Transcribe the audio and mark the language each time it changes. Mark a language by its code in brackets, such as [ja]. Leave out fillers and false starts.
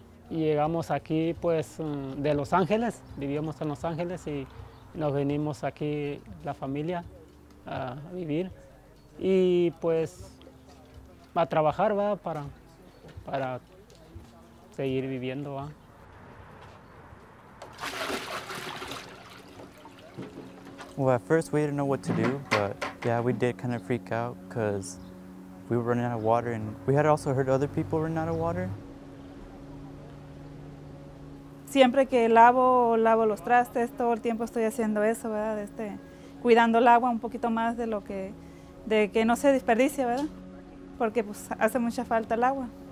[es] Llegamos aquí pues de Los Ángeles, vivíamos en Los Ángeles y nos venimos aquí la familia a vivir y pues a trabajar, va, para seguir viviendo, va. [en] Well, at first we didn't know what to do, but yeah, we did kind of freak out because we were running out of water and we had also heard other people running out of water. [es] Siempre que lavo los trastes, todo el tiempo estoy haciendo eso, ¿verdad? Cuidando el agua un poquito más de lo que no se desperdicie, ¿verdad? Porque pues hace mucha falta el agua.